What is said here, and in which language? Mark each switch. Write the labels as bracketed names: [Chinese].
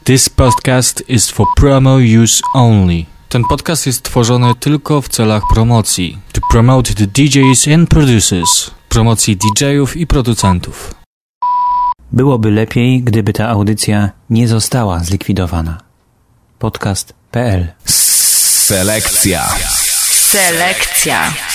[English] This podcast is for promo use only. [Polish] Ten podcast jest tworzony tylko w celach promocji. [English] To promote the DJs and producers. [Polish] Promocji DJ-ów i producentów. Byłoby lepiej, gdyby ta audycja nie została zlikwidowana. Podcast.pl. Selekcja. Selekcja.